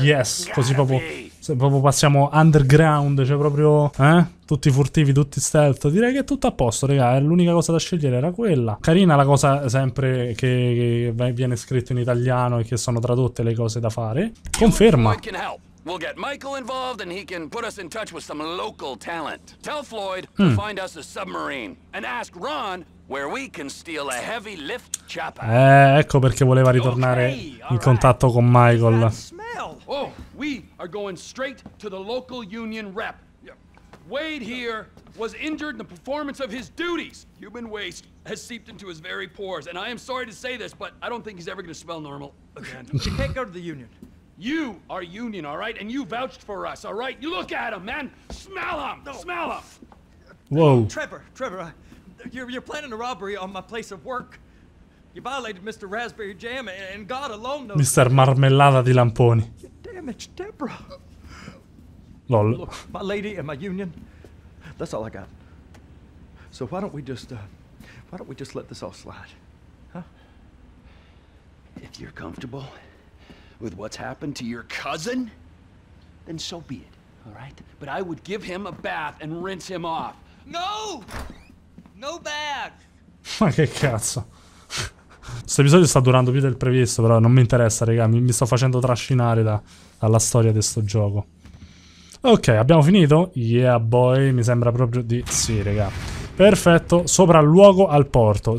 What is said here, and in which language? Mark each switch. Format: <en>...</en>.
<it>yes, così proprio, se proprio passiamo underground, cioè proprio, tutti furtivi, tutti stealth. Direi che è tutto a posto, raga, l'unica cosa da scegliere era quella. Carina la cosa sempre che viene scritto in italiano e che sono tradotte le cose da fare. Conferma.</it> <en>We'll get Michael involved and he can put us in touch with some local talent. Tell Floyd to find us a submarine and ask Ron where we can steal a heavy lift chopper.</en> <it>Ecco perché voleva ritornare in contatto con Michael.</it> <en>Oh, we are going straight to the local union rep. Wade here was injured in the performance of his duties. Human waste has seeped into his very pores and I am sorry to say this, but I don't think he's ever going to smell normal again. He can't go to the union. You are union, all right? And you vouched for us, all right? You look at him, man. Smell him. No. Smell him. Whoa. Trevor, you're planning a robbery on my place of work. You violated Mr. Raspberry Jam, and God alone knows...</en> <it>Mr. Marmellata di Lamponi.</it> <en>You damaged Deborah. Lol. Look, my lady and my union, that's all I got. So why don't we just let this all slide, huh? If you're comfortable... with what's happened to your cousin, then so be it, all right? But I would give him a bath and rinse him off. No! No bag!</en> <it>Ma che cazzo? Questo episodio sta durando più del previsto, però non mi interessa, raga. Mi sto facendo trascinare dalla storia di sto gioco. Ok, abbiamo finito?</it> <en>Yeah, boy,</en> <it>mi sembra proprio di... Sì, raga. Perfetto, sopralluogo al porto.</it>